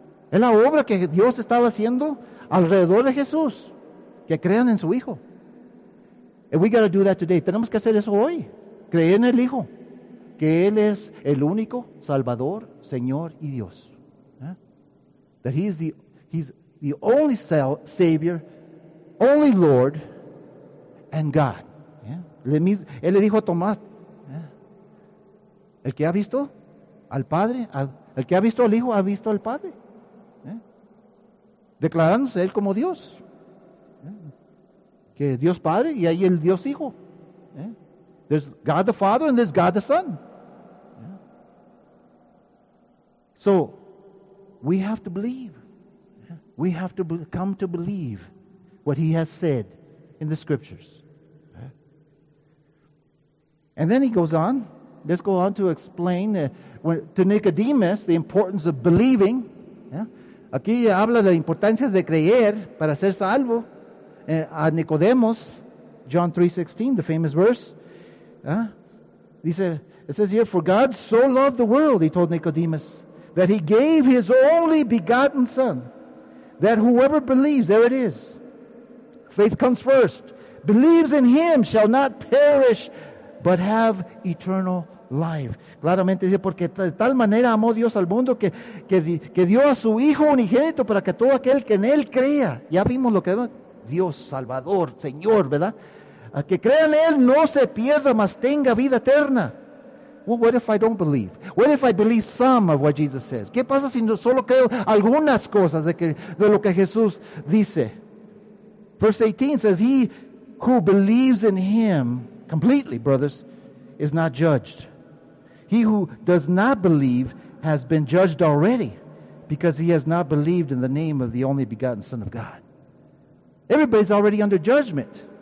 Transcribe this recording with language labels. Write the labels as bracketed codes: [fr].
[es] Es la obra que Dios estaba haciendo alrededor de Jesús. Que crean en su Hijo. [en] And we got to do that today. [es] Tenemos que hacer eso hoy. Creer en el Hijo. Que Él es el único Salvador, Señor y Dios. [en] That He's the only Savior, only Lord, and God. [es] Él le dijo a Tomás, el que ha visto al Padre, el que ha visto al Hijo, ha visto al Padre. Declarándose Él como Dios. Que Dios Padre y ahí el Dios Hijo. [en] There's God the Father and there's God the Son. So, we have to believe. We have to come to believe what He has said in the Scriptures. And then He goes on. Let's go on to explain to Nicodemus the importance of believing. [es] Aquí habla de la importancia de creer para ser salvo. [en] A Nicodemus, John 3:16, the famous verse. It says here, "For God so loved the world," He told Nicodemus, "that He gave His only begotten Son, that whoever believes," there it is, faith comes first, "believes in Him shall not perish, but have eternal life." [es] Claramente dice, porque de tal manera amó Dios al mundo que dio a su Hijo unigénito para que todo aquel que en Él crea, ya vimos lo que Dios, Salvador, Señor, ¿verdad? A que crea en Él no se pierda, mas tenga vida eterna. [en] Well, what if I don't believe? What if I believe some of what Jesus says? [es] ¿Qué pasa si no solo creo algunas cosas de lo que Jesús dice? [en] Verse 18 says, "He who believes in Him completely, brothers, is not judged. He who does not believe has been judged already, because he has not believed in the name of the only begotten Son of God." Everybody's already under judgment.